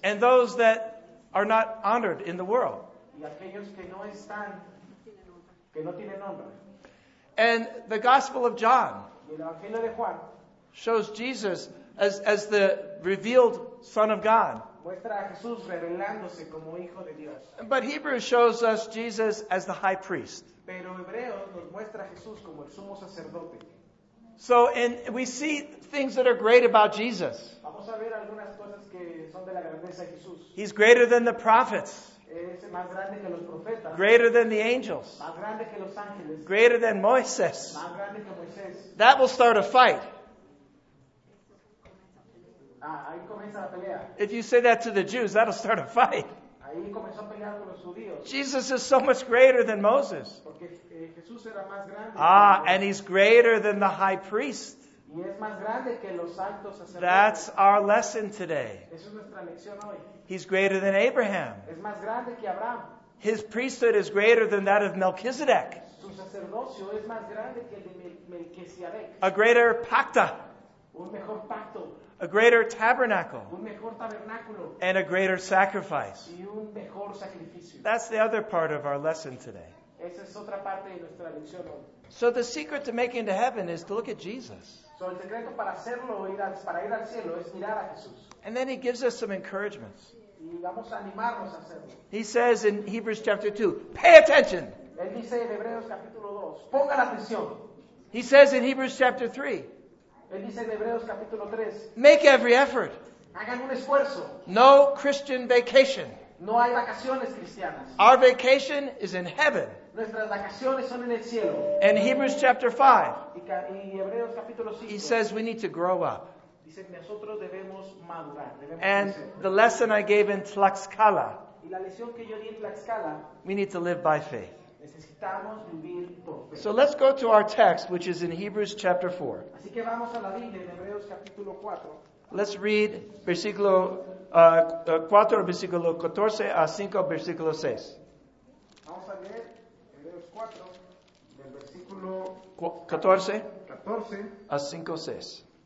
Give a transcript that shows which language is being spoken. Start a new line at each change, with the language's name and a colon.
English: and those that are not honored in the world.
Spanish: Y aquellos que no están, que no tienen nombre.
English: And the gospel of John,
Spanish: y el evangelio de Juan,
English: shows Jesus as the revealed Son of God.
Spanish: Muestra a Jesús revelándose como hijo de Dios.
English: But Hebrews shows us Jesus as the high priest.
Spanish: Pero Hebreos nos muestra a Jesús como el sumo sacerdote.
English: So, and we see things that are great about Jesus.
Spanish: Vamos a ver algunas cosas que son de la grandeza de Jesús.
English: He's greater than the prophets.
Spanish: Es más grande que los profetas.
English: Greater than the angels.
Spanish: Más grande que los ángeles.
English: Greater than Moses.
Spanish: Más grande que Moisés.
English: That will start a fight.
Spanish: Ahí comienza la pelea.
English: If you say that to the Jews, that'll start a fight.
Spanish: Ahí comenzó a pelear con los judíos.
English: Jesus is so much greater than Moses.
Spanish: Porque, Jesús era más grande.
English: Ah, and he's greater than the high priest.
Spanish: Y es más grande que los altos sacerdotes.
English: That's our lesson today.
Spanish: Esa es nuestra lección hoy.
English: He's greater than Abraham.
Spanish: Es más grande que Abraham.
English: His priesthood is greater than that of Melchizedek.
Spanish: Su sacerdocio es más grande que el de Melquisedec.
English: A greater pacta.
Spanish: Un mejor pacto.
English: A greater tabernacle.
Spanish: Un mejor tabernáculo.
English: And a greater sacrifice.
Spanish: Y un mejor sacrificio.
English: That's the other part of our lesson today.
Spanish: Esa es otra parte de nuestra lección hoy.
English: So the secret to making it to heaven is to look at Jesus.
Spanish: So el secreto para hacerlo, para ir al cielo, es mirar a Jesús.
English: And then he gives us some encouragements.
Spanish: Y vamos a animarlos a hacerlo.
English: He says in Hebrews chapter 2, pay attention.
Spanish: Él dice en Hebreos capítulo 2, ponga la atención.
English: He says in Hebrews chapter 3,
Spanish: él dice en Hebreos capítulo 3,
English: make every effort.
Spanish: Hagan un esfuerzo.
English: No Christian vacation.
Spanish: No hay vacaciones cristianas.
English: Our vacation is in heaven.
Spanish: Nuestras vacaciones son en el cielo.
English: In Hebrews chapter 5,
Spanish: Hebreos capítulo 5,
English: he says we need to grow up.
Spanish: Dice, nosotros debemos madurar, debemos
English: and
Spanish: crecer.
English: The lesson I gave in Tlaxcala,
Spanish: y la lección que yo di en Tlaxcala,
English: we need to live by faith.
Spanish: Necesitamos vivir por fe.
English: So let's go to our text, which is in Hebrews chapter 4.
Spanish: Así que vamos a la Biblia, en Hebreos capítulo 4.
English: Let's read
Spanish: versículo 4, versículo 14 a 5, versículo 6. Vamos a leer Hebreos 4, del versículo 14 a 5, 6.